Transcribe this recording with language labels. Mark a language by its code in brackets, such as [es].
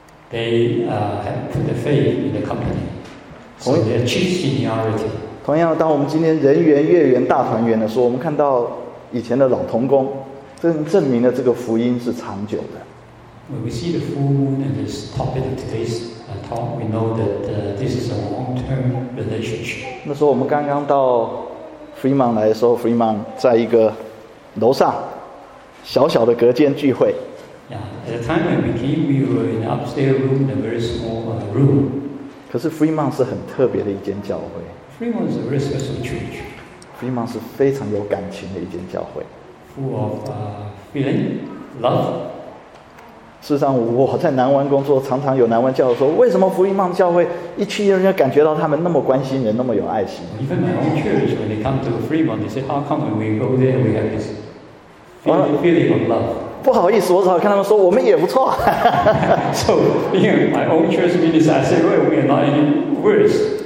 [en] They have put the faith in the company, so they achieve seniority. [zh] 同样，当我们今天人员月圆大团圆的时候，我们看到以前的老同工，证明了这个福音是长久的。 [en] When we see the full moon and this topic of today's talk, we know that this is a long-term relationship. [zh] 那时候我们刚刚到。 Fremont 来的时候 ，Fremont 在一个楼上小小的隔间聚会。 [en] Yeah, at the time when we came, we were in an upstairs room, a very small room. [zh] 可是 Fremont 是很特别的一间教会。 [en] Fremont is a very special church. [zh] Fremont 是非常有感情的一间教会。 [en] Full of feeling, love. [zh] 事实上，我在南湾工作，常常有南湾教会说，为什么 Fremont 教会一去人家感觉到他们那么关心人，那么有爱心。 [en] Even my own church, when they come to Fremont, they say, "How come when we go there, we have this feeling of love?" [zh] 不好意思，我只好跟他们说，我们也不错。 [en] So, in my own church ministry, I say, "Well, we are not any worse."